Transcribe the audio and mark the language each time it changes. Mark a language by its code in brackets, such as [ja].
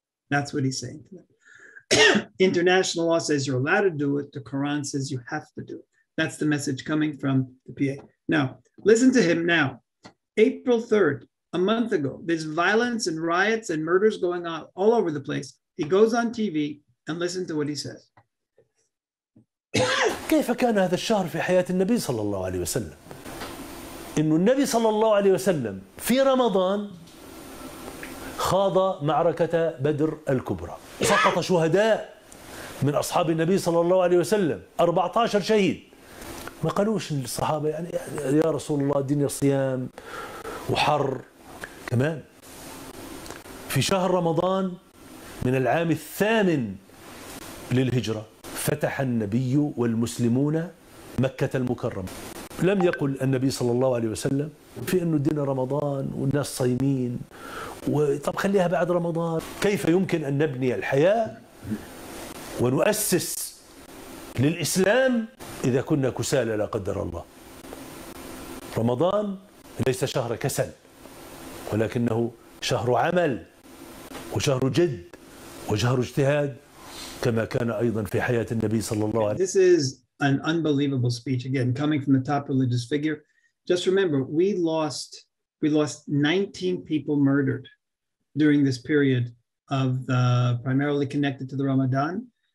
[en] That's what he's saying to them. International law says you're allowed to do it. The Quran says you have to do it. That's the message coming from the PA. Now, listen to him now. April 3rd, a month ago, there's violence and riots and murders going on all over the place. He goes on TV and listen to what he says. [ar] كيف كان هذا الشهر في حياة النبي صلى الله عليه وسلم؟ إنه النبي صلى الله عليه وسلم في رمضان خاض معركة بدر الكبرى، سقط شهداء من أصحاب النبي صلى الله عليه وسلم 14 شهيد. ما قالوش للصحابة يعني يا رسول الله الدنيا صيام وحر كمان. في شهر رمضان من العام الثامن للهجرة فتح النبي والمسلمون مكة المكرمة. لم يقل النبي صلى الله عليه وسلم في أنه الدين رمضان والناس صايمين وطب خليها بعد رمضان. كيف يمكن أن نبني الحياة ونؤسس للإسلام إذا كنا كسالى لا قدر الله؟ رمضان ليس شهر كسل ولكنه شهر عمل وشهر جد وشهر اجتهاد. [en] This is an unbelievable speech, again, coming from the top religious figure. Just remember, we lost 19 people murdered during this period of the primarily connected to the Ramadan.